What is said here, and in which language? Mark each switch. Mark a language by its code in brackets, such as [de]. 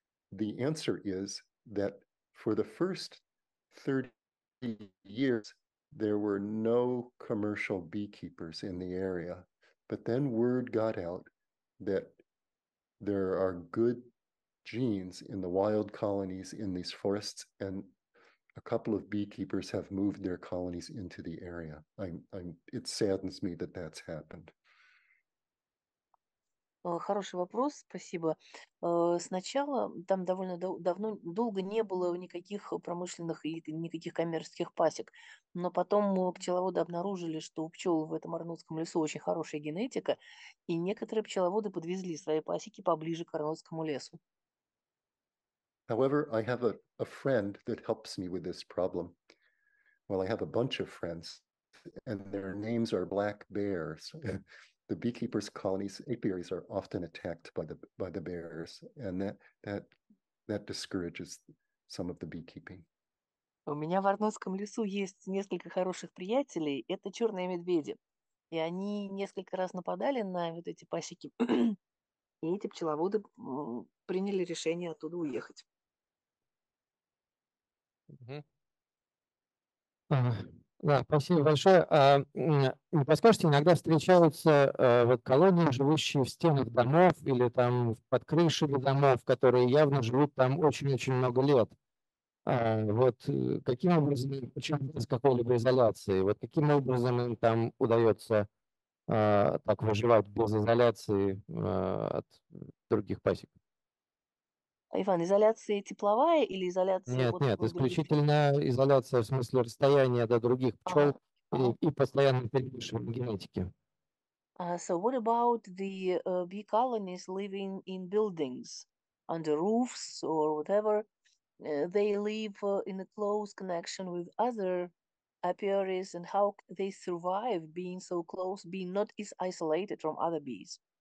[en] The answer is that for the first 30 years, there were no commercial beekeepers in the area. But then word got out that there are good genes in the wild colonies in these forests, and a couple of beekeepers have moved their colonies into the area. It saddens me that that's happened. [ru] Хороший вопрос, спасибо. Сначала там довольно давно, долго не было никаких промышленных и никаких коммерческих пасек, но потом пчеловоды обнаружили, что у пчел в этом Арнотском лесу очень хорошая генетика, и некоторые пчеловоды подвезли свои пасеки поближе к Арнотскому лесу. [en] However, I have a friend that helps me with this problem. Well, I have a bunch of friends, and their names are black bears. The beekeepers' colonies, apiaries, are often attacked by the bears, and that discourages some of the beekeeping. [ru] У меня в Арнотском лесу есть несколько хороших приятелей. Это черные медведи, и они несколько раз нападали на вот эти пасеки, и эти пчеловоды приняли решение оттуда уехать. Да, спасибо большое. Не подскажете, иногда встречаются вот колонии, живущие в стенах домов или там под крышами домов, которые явно живут там очень-очень много лет. Вот каким образом, почему без какой-либо изоляции? Вот каким образом им там удается так выживать без изоляции от других пасек? Иван, изоляция тепловая или изоляция... Нет, нет, исключительно изоляция в смысле расстояния до других пчел и постоянно перемешивания генетики. [en] So what about the bee colonies living in buildings, under roofs or whatever? They live in a close connection with other apiaries, and how they survive being so close, being not as isolated from other bees?